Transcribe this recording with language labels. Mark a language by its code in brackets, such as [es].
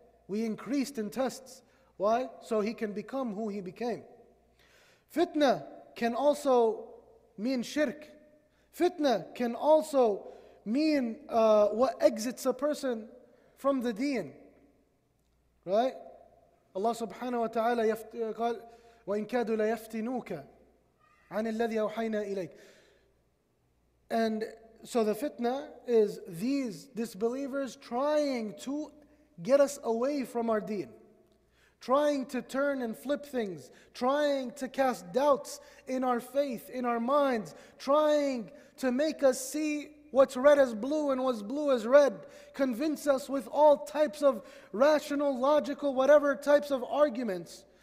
[en] We increased in tests. Why? So he can become who he became. Fitna can also mean shirk. Fitna can also mean what exits a person from the deen. Right? [ar] Allah subhanahu wa ta'ala قال وَإِن كَادُوا لَيَفْتِنُوكَ عَنِ الَّذِي أَوْحَيْنَا إِلَيْكَ. [en] And so the fitna is these disbelievers trying to get us away from our deen, trying to turn and flip things, trying to cast doubts in our faith, in our minds, trying to make us see what's red as blue and what's blue as red, convince us with all types of rational, logical, whatever types of arguments,